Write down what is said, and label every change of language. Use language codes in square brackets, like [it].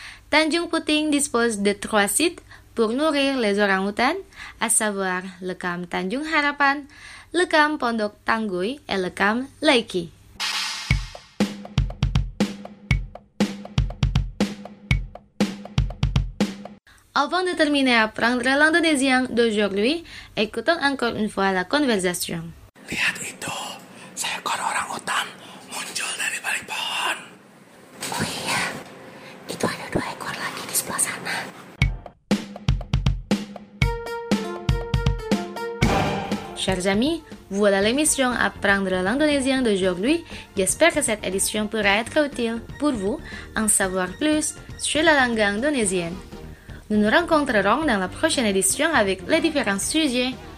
[fr] Tanjung Puting dispose de trois sites pour nourrir les orang-outans, à savoir le camp Tanjung Harapan, le camp Pondok Tangguy et le camp Laiki. Avant de terminer à apprendre l'indonésien d'aujourd'hui, écoutons encore une fois la conversation. [id] Lihat itu. Seekor orang-utan muncul dari balik pohon. Oh iya, itu ada dua ekor lagi di sebelah sana. [fr] Chers amis, voilà l'émission Apprendre l'indonésien d'aujourd'hui. J'espère que cette édition pourra être utile pour vous en savoir plus sur la langue indonésienne. Nous nous rencontrerons dans la prochaine édition avec les différents sujets.